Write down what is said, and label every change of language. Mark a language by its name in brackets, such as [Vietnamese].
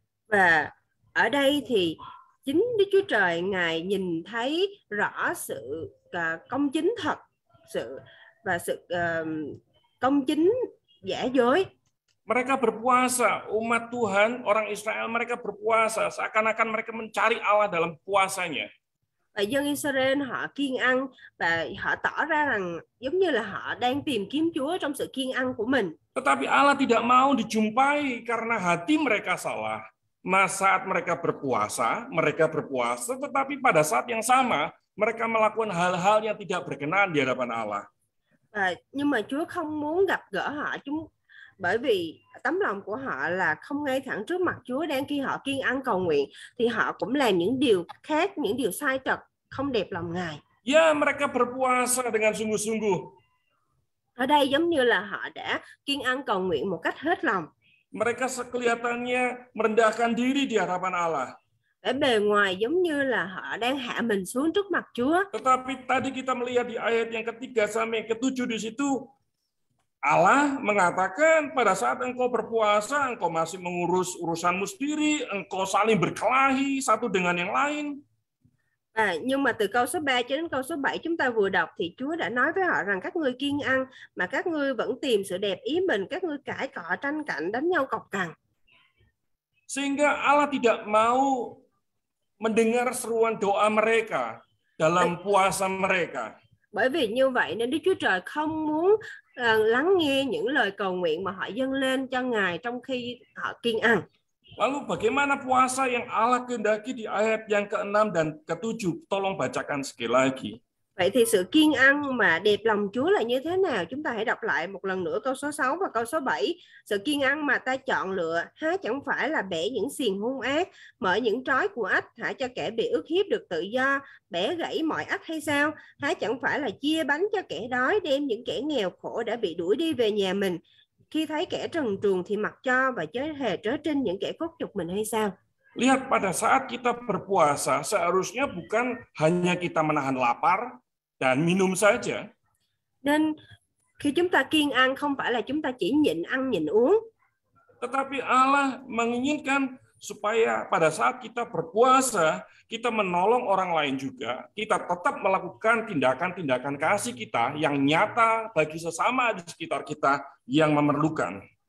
[Vietnamese] Và ở đây thì chính Đức Chúa Trời Ngài nhìn thấy rõ sự công chính thật, sự và sự công chính giả dối. [Indonesian] Mereka berpuasa, umat Tuhan, orang Israel, mereka berpuasa seakan-akan mereka mencari Allah dalam puasanya. [Vietnamese] Và dân Israel họ kiêng ăn và họ tỏ ra rằng giống như là họ đang tìm kiếm Chúa trong sự kiêng ăn của mình. [Indonesian] Tetapi Allah tidak mau dijumpai karena hati mereka salah. Nah, saat mereka berpuasa tetapi pada saat yang sama mereka melakukan hal-hal yang tidak berkenan di hadapan Allah. [Vietnamese] Nhưng mà Chúa không muốn gặp gỡ họ chúng bởi vì tấm lòng của họ là không ngay thẳng trước mặt Chúa, đang khi họ kiêng ăn cầu nguyện thì họ cũng làm những điều khác, những điều sai trật không đẹp lòng Ngài. [Indonesian] Ya, mereka berpuasa dengan sungguh-sungguh. [Vietnamese] Ở đây giống như là họ đã kiêng ăn cầu nguyện một cách hết lòng. [Indonesian] Mereka kelihatannya merendahkan diri di hadapan Allah. [Vietnamese] Bề ngoài giống như là họ đang hạ mình xuống trước mặt Chúa. [Indonesian] Tetapi tadi kita melihat di ayat yang ketiga sampai ketujuh di situ, Allah mengatakan pada saat engkau berpuasa, engkau masih mengurus urusanmu sendiri, engkau saling berkelahi satu dengan yang lain. [Vietnamese] Nhưng mà từ câu số 3 cho đến câu số 7 chúng ta vừa đọc thì Chúa đã nói với họ rằng các ngươi kiêng ăn mà các ngươi vẫn tìm sự đẹp ý mình, các ngươi cãi cọ tranh cạnh đánh nhau cọc cằn. [Indonesian] Sehingga Allah tidak mau mendengar seruan doa mereka dalam puasa mereka. [Vietnamese] Bởi vì như vậy nên Đức Chúa Trời không muốn lắng nghe những lời cầu nguyện mà họ dâng lên cho Ngài trong khi họ kiêng ăn. [Indonesian] Lalu bagaimana puasa yang Allah kehendaki di ayat yang ke-6 dan ke-7? Tolong bacakan sekali lagi. [Vietnamese] Vậy thì sự kiêng ăn mà đẹp lòng Chúa là như thế nào? Chúng ta hãy đọc lại một lần nữa câu số 6 và câu số 7. Sự kiêng ăn mà ta chọn lựa, há chẳng phải là bẻ những xiềng hung ác, mở những trói của ách, thả cho kẻ bị ức hiếp được tự do, bẻ gãy mọi ách hay sao? Há chẳng phải là chia bánh cho kẻ đói, đem những kẻ nghèo khổ đã bị đuổi đi về nhà mình, khi thấy kẻ trần truồng thì mặc cho và chớ hề trớ trinh những kẻ cốt nhục mình hay sao? [Indonesian] Lihat, pada saat kita berpuasa, seharusnya bukan hanya kita menahan lapar dan minum saja. [Vietnamese] Dan khi chúng ta kiêng ăn không phải là chúng ta chỉ nhịn ăn nhịn uống. [Indonesian] Tetapi Allah menginginkan supaya pada saat kita berpuasa, kita menolong orang lain juga, kita tetap melakukan tindakan-tindakan kasih kita yang nyata bagi sesama di sekitar kita yang memerlukan.